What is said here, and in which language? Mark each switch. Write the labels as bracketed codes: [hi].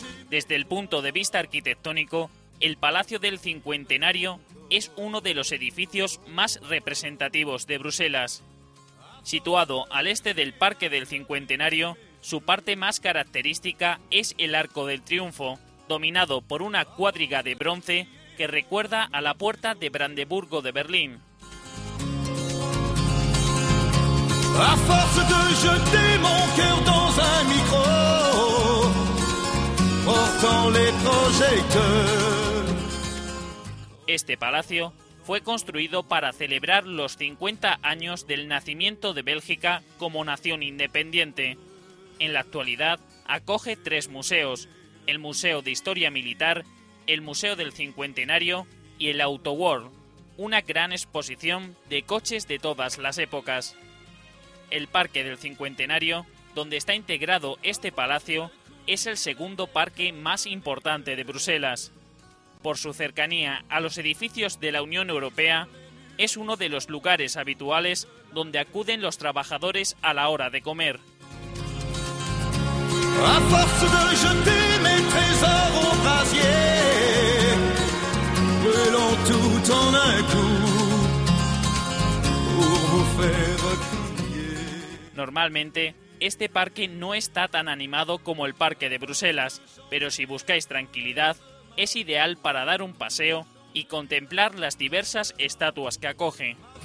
[es] Desde el punto de vista arquitectónico, el Palacio del Cincuentenario es uno de los edificios más representativos de Bruselas. Situado al este del Parque del Cincuentenario, su parte más característica es el Arco del Triunfo, dominado por una cuadriga de bronce que recuerda a la Puerta de Brandeburgo de Berlín. [fr] A force de jeter mon cœur dans un micro, portant les projecteurs. [es] Este palacio fue construido para celebrar los 50 años del nacimiento de Bélgica como nación independiente. En la actualidad acoge 3 museos: el Museo de Historia Militar, el Museo del Cincuentenario y el Auto World, una gran exposición de coches de todas las épocas. El Parque del Cincuentenario, donde está integrado este palacio, es el segundo parque más importante de Bruselas. Por su cercanía a los edificios de la Unión Europea, es uno de los lugares habituales donde acuden los trabajadores a la hora de comer. [fr] A force de jeter mes trésors au brasier, brûlons tout en un coup pour vous faire crier. [es] Normalmente, este parque no está tan animado como el Parque de Bruselas, pero si buscáis tranquilidad, es ideal para dar un paseo y contemplar las diversas estatuas que acoge.